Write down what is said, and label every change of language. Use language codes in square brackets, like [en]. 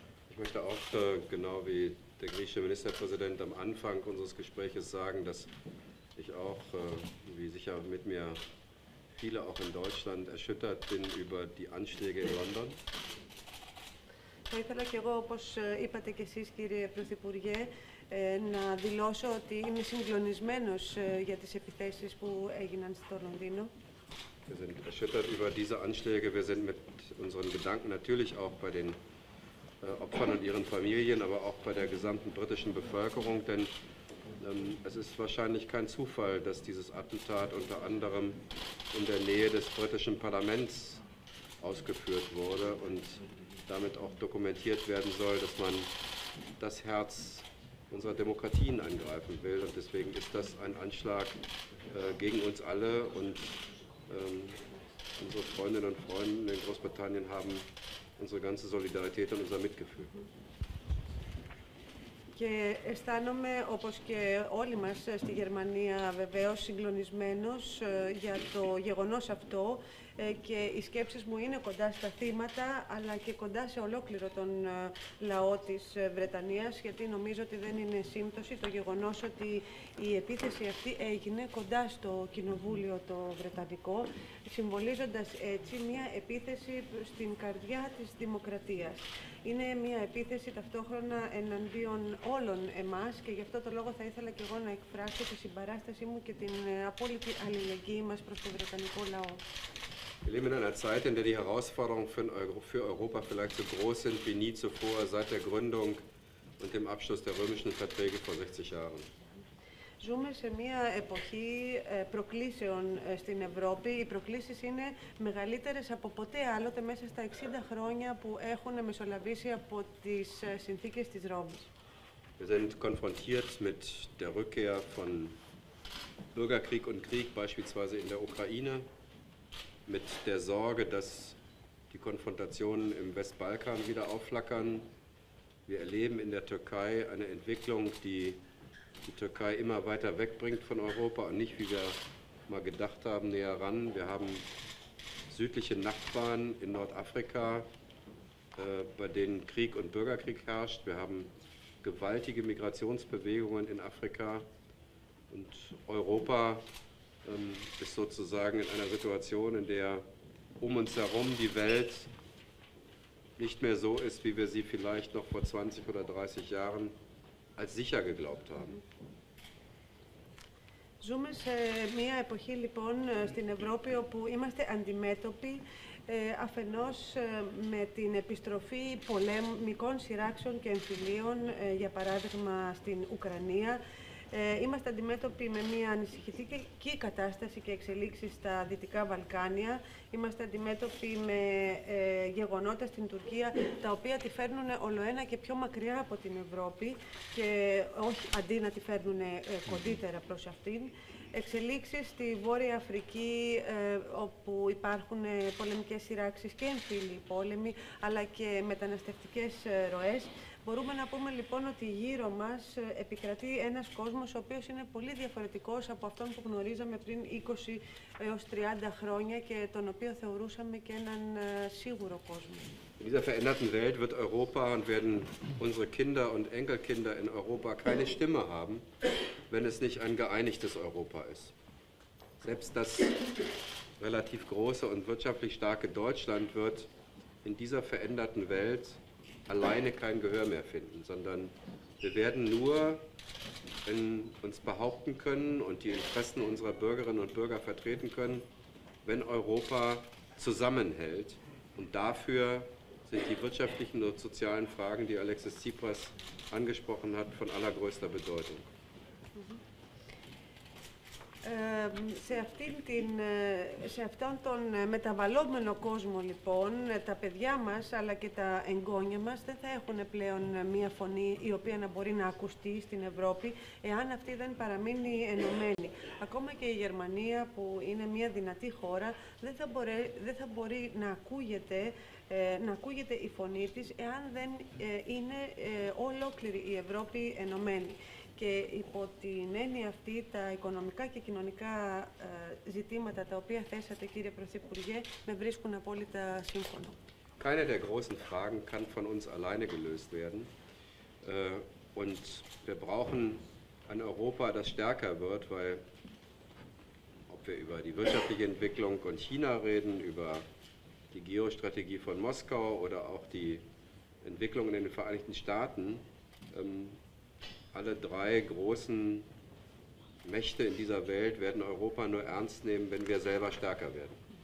[de] Ich möchte auch, genau wie der griechische Ministerpräsident am Anfang unseres Gesprächs sagen, dass ich auch, wie sicher mit mir viele auch in Deutschland, erschüttert bin über die Anschläge in London. [el] Θα ήθελα και εγώ, όπως είπατε και εσείς, κύριε Πρωθυπουργέ, να δηλώσω ότι είμαι συγκλονισμένος για τις επιθέσεις που έγιναν στο Λονδίνο. [de] Wir sind erschüttert über diese Anschläge. Wir sind mit unseren Gedanken natürlich auch bei den Opfern und ihren Familien, aber auch bei der gesamten britischen Bevölkerung, denn es ist wahrscheinlich kein Zufall, dass dieses Attentat unter anderem in der Nähe des britischen Parlaments ausgeführt wurde und damit auch dokumentiert werden soll, dass man das Herz unserer Demokratien angreifen will. Und deswegen ist das ein Anschlag gegen uns alle. Und unsere Freundinnen und Freunde in Großbritannien haben unsere ganze Solidarität und unser Mitgefühl. [el] Και αισθάνομαι, όπως και όλοι μας στη Γερμανία βεβαίως, συγκλονισμένος για το γεγονός αυτό και οι σκέψεις μου είναι κοντά στα θύματα, αλλά και κοντά σε ολόκληρο τον λαό της Βρετανίας, γιατί νομίζω ότι δεν είναι σύμπτωση το γεγονός ότι η επίθεση αυτή έγινε κοντά στο κοινοβούλιο το Βρετανικό, συμβολίζοντας έτσι μια επίθεση στην καρδιά της δημοκρατίας. Είναι μια επίθεση ταυτόχρονα εναντίον όλων εμάς και γι' αυτό το λόγο θα ήθελα και εγώ να εκφράσω τη συμπαράστασή μου και την απόλυτη αλληλεγγύη μας προς τον Βρετανικό λαό. [de] Wir leben in einer Zeit, in der die Herausforderungen für Europa vielleicht so groß sind wie nie zuvor seit der Gründung und dem Abschluss der römischen Verträge vor 60 Jahren. [el] Ζούμε σε μια εποχή προκλήσεων στην Ευρώπη. Οι προκλήσεις είναι μεγαλύτερες από ποτέ άλλοτε μέσα στα 60 χρόνια που έχουν μεσολαβήσει από τις συνθήκες της Ρώμης. [de] Wir sind konfrontiert mit der Rückkehr von Bürgerkrieg und Krieg, beispielsweise in der Ukraine, mit der Sorge, dass die Konfrontationen im Westbalkan wieder aufflackern. Wir erleben in der Türkei eine Entwicklung, die die Türkei immer weiter wegbringt von Europa und nicht, wie wir mal gedacht haben, näher ran. Wir haben südliche Nachbarn in Nordafrika, bei denen Krieg und Bürgerkrieg herrscht. Wir haben gewaltige Migrationsbewegungen in Afrika und Europa ist sozusagen in einer Situation, in der um uns herum die Welt nicht mehr so ist, wie wir sie vielleicht noch vor 20 oder 30 Jahren als sicher geglaubt haben. [el] Ζούμε σε μια εποχή λοιπόν στην Ευρώπη όπου είμαστε αντιμέτωποι αφενός με την επιστροφή πολεμικών σειράξεων και εμφυλίων, για παράδειγμα στην Ουκρανία. Είμαστε αντιμέτωποι με μια ανησυχητική κατάσταση και εξελίξεις στα Δυτικά Βαλκάνια. Είμαστε αντιμέτωποι με γεγονότα στην Τουρκία, τα οποία τη φέρνουν ολοένα και πιο μακριά από την Ευρώπη και όχι αντί να τη φέρνουν κοντύτερα προς αυτήν. Εξελίξεις στη Βόρεια Αφρική, όπου υπάρχουν πολεμικές σειράξεις και εμφύλοι πόλεμοι, αλλά και μεταναστευτικές ροές. Μπορούμε να πούμε λοιπόν ότι γύρω μας επικρατεί ένας κόσμος ο οποίος είναι πολύ διαφορετικός από αυτόν που γνωρίζαμε πριν 20 έως 30 χρόνια και τον οποίο θεωρούσαμε και έναν σίγουρο κόσμο. [de] In dieser veränderten Welt wird Europa und werden unsere Kinder und Enkelkinder in Europa keine Stimme haben, wenn es nicht ein geeinigtes Europa ist. Selbst das relativ große und wirtschaftlich starke Deutschland wird in dieser veränderten Welt alleine kein Gehör mehr finden, sondern wir werden nur uns behaupten können und die Interessen unserer Bürgerinnen und Bürger vertreten können, wenn Europa zusammenhält. Und dafür sind die wirtschaftlichen und sozialen Fragen, die Alexis Tsipras angesprochen hat, von allergrößter Bedeutung. [el] Σε αυτήν την, σε αυτόν τον μεταβαλλόμενο κόσμο, λοιπόν, τα παιδιά μας αλλά και τα εγγόνια μας δεν θα έχουν πλέον μία φωνή η οποία να μπορεί να ακουστεί στην Ευρώπη, εάν αυτή δεν παραμείνει ενωμένη. Ακόμα και η Γερμανία, που είναι μία δυνατή χώρα, δεν θα μπορεί να ακούγεται, να ακούγεται η φωνή της, εάν δεν είναι ολόκληρη η Ευρώπη ενωμένη. Και υπό την έννοια αυτή, τα οικονομικά και κοινωνικά ζητήματα τα οποία θέσατε, κύριε Πρωθυπουργέ, με βρίσκουν απόλυτα σύμφωνο. [de] Keine der großen Fragen kann von uns alleine gelöst werden. Und wir brauchen ein Europa, das stärker wird, weil, ob wir über die wirtschaftliche Entwicklung und China reden, über die Geostrategie von Moskau oder auch die Entwicklung in den Vereinigten Staaten, alle drei großen Mächte in dieser Welt werden Europa nur ernst nehmen, wenn wir selber stärker werden.